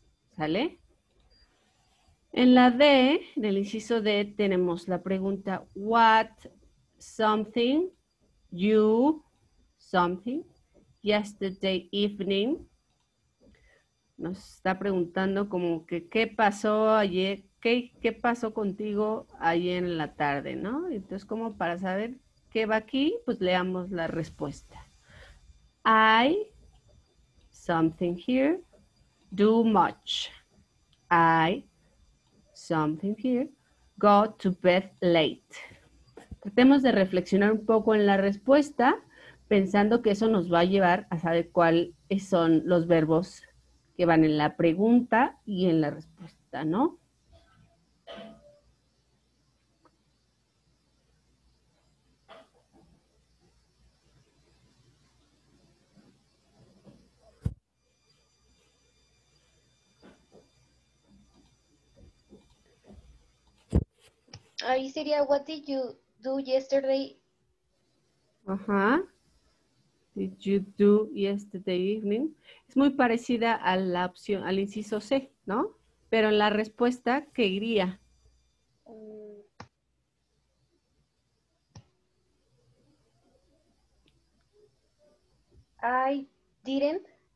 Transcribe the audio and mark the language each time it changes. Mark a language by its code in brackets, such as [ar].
[es] ¿Sale? En la D, en el inciso D, tenemos la pregunta, [en] what something you something yesterday evening. [es] Nos está preguntando como que qué pasó ayer, qué pasó contigo ayer en la tarde, ¿no? Entonces, como para saber qué va aquí, pues leamos la respuesta. [en] I something here do much. I something here go to bed late. [es] Tratemos de reflexionar un poco en la respuesta, pensando que eso nos va a llevar a saber cuáles son los verbos que van en la pregunta y en la respuesta, ¿no? Ahí sería, [en] what did you do yesterday? Ajá. Did you do yesterday evening? [es] Es muy parecida a la opción, al inciso C, ¿no? Pero en la respuesta, ¿qué iría? [en] I didn't.